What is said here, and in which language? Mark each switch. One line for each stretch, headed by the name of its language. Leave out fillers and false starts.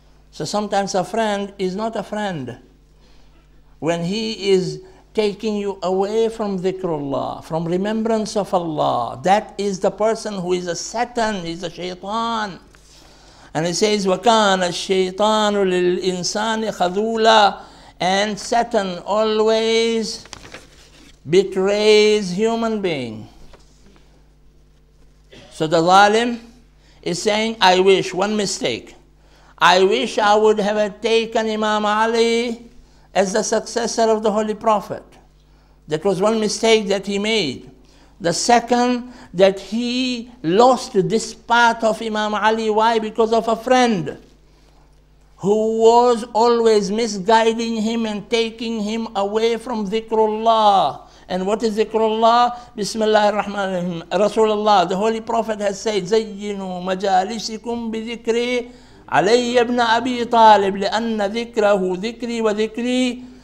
English: So sometimes a friend is not a friend when he is taking you away from dhikrullah, from remembrance of Allah. That is the person who is a satan, he's a shaitan. And he says,
Arabic: وَكَانَ الشَّيْطَانُ لِلْإِنسَانِ خَذُولًا.
English: And satan always betrays human being. So the zalim is saying, I wish, one mistake, I wish I would have taken Imam Ali as the successor of the Holy Prophet. That was one mistake that he made. The second, that he lost this part of Imam Ali. Why? Because of a friend who was always misguiding him and taking him away from dhikrullah. And what is dhikrullah? Bismillah ar-Rahman ar-Rahim.
Arabic: Rasulullah,
English: the Holy Prophet has said,
Arabic: زَيِّنُوا مَجَالِسِكُمْ بِذِكْرِي عَلَيَّ ابْنَ أَبِي طَالِبْ لِأَنَّ ذِكْرَهُ ذِكْرِي وَذِكْرِي.